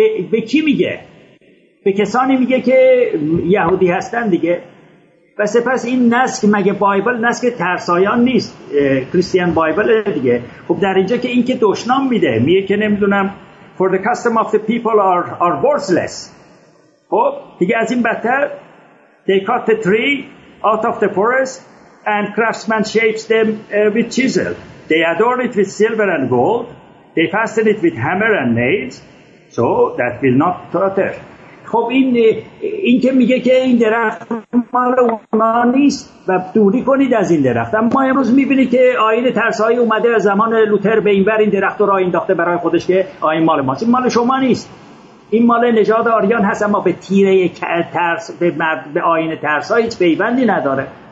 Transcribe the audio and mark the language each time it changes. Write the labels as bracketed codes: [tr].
[fa] به کی میگه؟ به کسانی میگه که یهودی هستن دیگه. و سپس این نسک، مگه بایبل نسک ترسایان نیست؟ کریستیان بایبل دیگه. خب در اینجا که این که دشنام میده، میگه که نمیدونم [en] for the custom of the people are worthless. [fa] خب دیگه از این بدتر، [en] they cut the tree out of the forest and craftsmen shapes them with chisel. They adorn it with silver and gold. They fasten it with hammer and nails so that will not totter. [fa] خب این که میگه که این درخت مال اونا نیست و دوری کنید از این درخت. اما امروز میبینید که آیین ترسایی اومده از زمان لوتر به این ور این درخت را انداخته برای خودش که آیین مال ماست. این مال شما نیست، این مال نژاد آریان هست، اما به تیره ترس به آیین ترسایی هیچ پیوندی نداره.